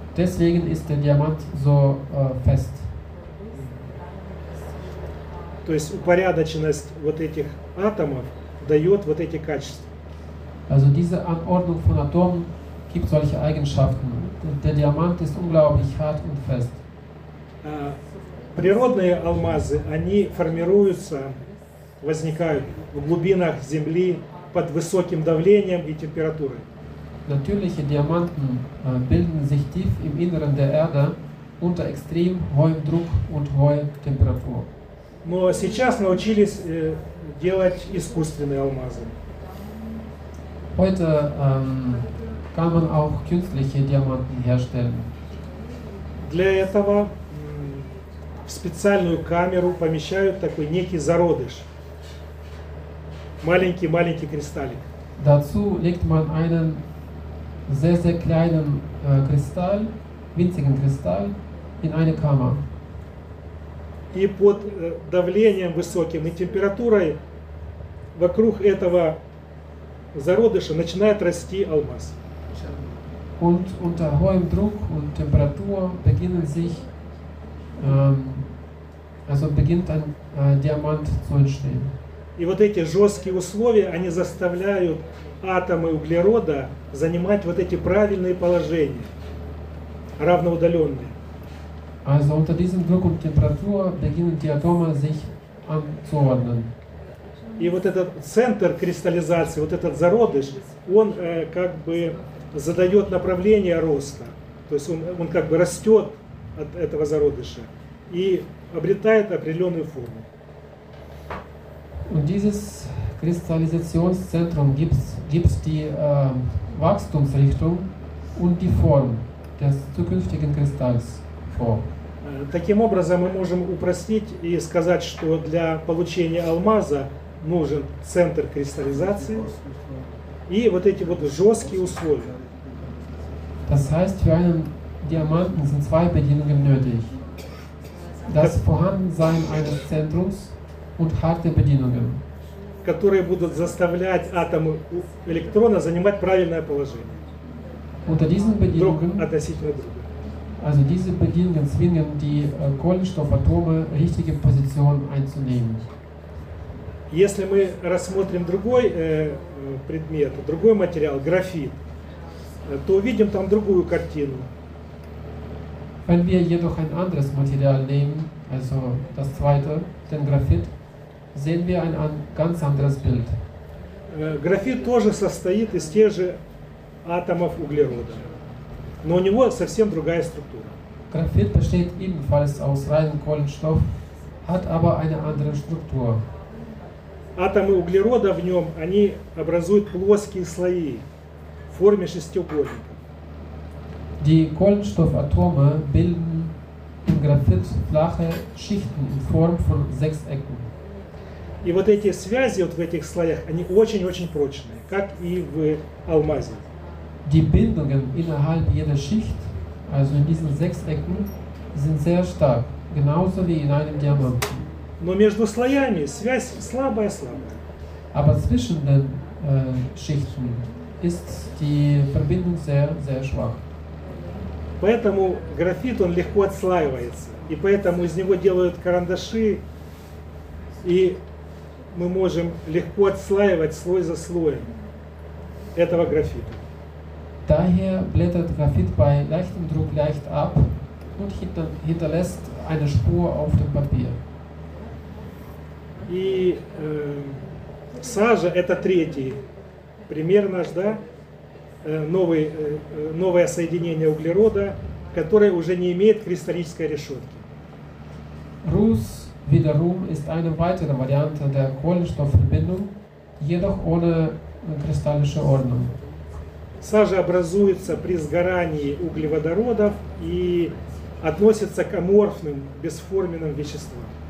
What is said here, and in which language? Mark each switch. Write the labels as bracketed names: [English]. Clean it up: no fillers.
[German] Deswegen ist der Diamant so fest. [Russian] То есть упорядоченность вот этих атомов дает вот эти качества. [German] Also diese Anordnung von Atomen gibt solche Eigenschaften. Der Diamant ist unglaublich hart und fest. [Russian] Природные алмазы, они формируются, возникают в глубинах земли под высоким давлением и температурой. [German] Natürliche Diamanten bilden sich tief im Inneren der Erde unter extrem hohem Druck und hoher Temperatur. [Russian] Но сейчас научились делать искусственные алмазы. [German] Heute kann man auch künstliche Diamanten herstellen. [Russian] Для этого в специальную камеру помещают такой некий зародыш. Маленький-маленький кристаллик. [German] Dazu legt man einen sehr, sehr kleinen Kristall, winzigen Kristall, in eine Kammer. [Russian] И под давлением высоким и температурой вокруг этого зародыша начинает расти алмаз. [German] Und unter hohem Druck und Temperatur beginnen sich, also beginnt ein Diamant zu entstehen. [Russian] И вот эти жесткие условия, они заставляют атомы углерода занимать вот эти правильные положения, равноудаленные. [German] Also unter diesem Druck und Temperatur beginnen die Atome sich anzuordnen. [Russian] И вот этот центр кристаллизации, вот этот зародыш, он как бы задает направление роста. То есть он как бы растет от этого зародыша и обретает определенную форму. [German] Und dieses Kristallisationszentrum gibt die Wachstumsrichtung und die Form des zukünftigen Kristalls vor. [Russian] Таким образом мы можем упростить и сказать, что для получения алмаза нужен центр кристаллизации и вот эти вот жесткие условия. [German] Das heißt, für einen Diamanten sind zwei Bedingungen nötig. Das Vorhandensein eines Zentrums und harte Bedingungen, [Russian] которые будут заставлять атомы электрона занимать правильное положение. [German] Unter diesen Bedingungen, [Russian] относительно друга. [German] Also diese Bedingungen zwingen die Kohlenstoffatome, richtige Position einzunehmen. [Russian] Если мы рассмотрим другой предмет, другой материал, графит, то увидим там другую картину. [German] Wenn wir jedoch ein anderes Material nehmen, also das zweite, den Graphit, sehen wir ein ganz anderes Bild. [Russian] Graphit тоже состоит из тех же атомов углерода, но у него совсем другая структура. [German] Graphit besteht ebenfalls aus reinem Kohlenstoff, hat aber eine andere Struktur. [Russian] Атомы углерода в нем, они образуют плоские слои в форме шестиугольника. [German] Die Kohlenstoffatome bilden im Graphit flache Schichten in Form von Sechsecken. [Russian] И вот эти связи вот в этих слоях, они очень-очень прочные, как и в алмазе. [German] Die Bindungen innerhalb jeder Schicht, also in diesen Sechsecken, sind sehr stark, genauso wie in einem Diamanten. [Russian] Но между слоями связь слабая-слабая. [German] Aber zwischen den Schichten ist die Verbindung sehr, sehr schwach. [Russian] Поэтому графит, он легко отслаивается, и поэтому из него делают карандаши, и мы можем легко отслаивать слой за слоем этого графита. [German] Daher blättert Graphit bei leichtem Druck leicht ab und hinterlässt eine Spur auf dem Papier. [Russian] И сажа – это третий пример наш, да? Новое соединение углерода, которое уже не имеет кристаллической решетки. [German] Русс, wiederum, ist eine weitere Variante der Kohlenstoffverbindung, jedoch ohne kristallische Ordnung. [Russian] Сажа образуется при сгорании углеводородов и относится к аморфным, бесформенным веществам.